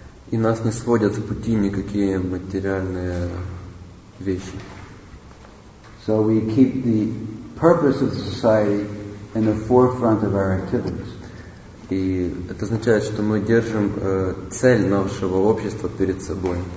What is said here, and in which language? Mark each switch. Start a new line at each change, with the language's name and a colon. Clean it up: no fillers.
Russian: И нас не сводят с пути никакие материальные вещи.
English: So we keep the purpose of society in the forefront of our activities.
Russian: И это означает, что мы держим цель нашего общества перед собой.